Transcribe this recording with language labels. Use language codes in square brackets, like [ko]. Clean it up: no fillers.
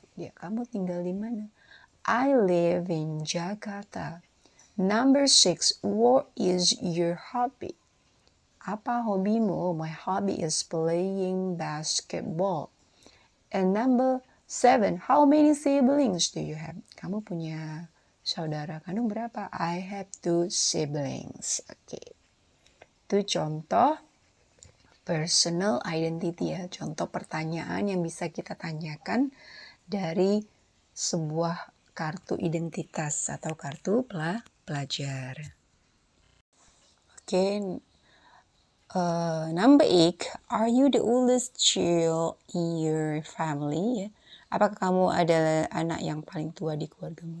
[en] Yeah, [id] kamu tinggal di mana? [en] I live in Jakarta. Number six, what is your hobby? [id] Apa hobimu? [en] My hobby is playing basketball. And number seven, how many siblings do you have? [id] Kamu punya saudara kandung berapa? [en] I have 2 siblings. Okay. [id] Itu contoh personal identity ya. Contoh pertanyaan yang bisa kita tanyakan dari sebuah kartu identitas atau kartu pelajar. [en] Oke. Okay. Number 8, are you the oldest child in your family? Yeah. [id] Apakah kamu adalah anak yang paling tua di keluargamu?